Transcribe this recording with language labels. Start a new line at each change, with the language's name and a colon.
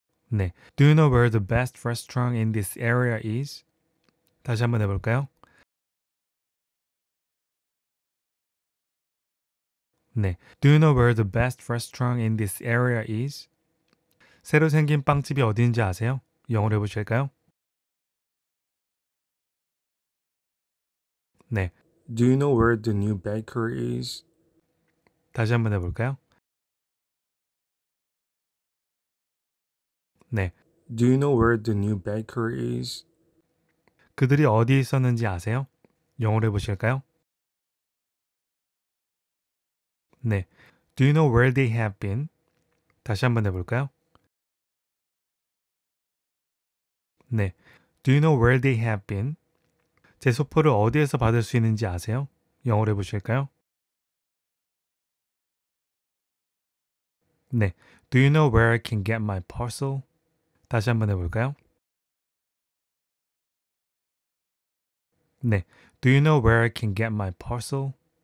English: 네, Do you know where the best restaurant in this area is?
Korean: 다시 한번 해볼까요?
English: 네, Do you know where the best restaurant in this area is?
Korean: 새로 생긴 빵집이 어디인지 아세요? 영어로 해보실까요? 네,
English: Do you know where the new bakery is?
Korean: 다시 한번 해볼까요? 네,
English: Do you know where the new bakery is?
Korean: 그들이 어디 있었는지 아세요? 영어로 해보실까요?
English: 네, Do you know where they have been?
Korean: 다시 한번 해볼까요?
English: 네, Do you know where they have been?
Korean: 제 소포를 어디에서 받을 수 있는지 아세요? 영어로 해보실까요?
English: 네, Do you know where I can get my parcel?
Korean: 다시 한번 해볼까요?
English: 네, Do you know where I can get my parcel?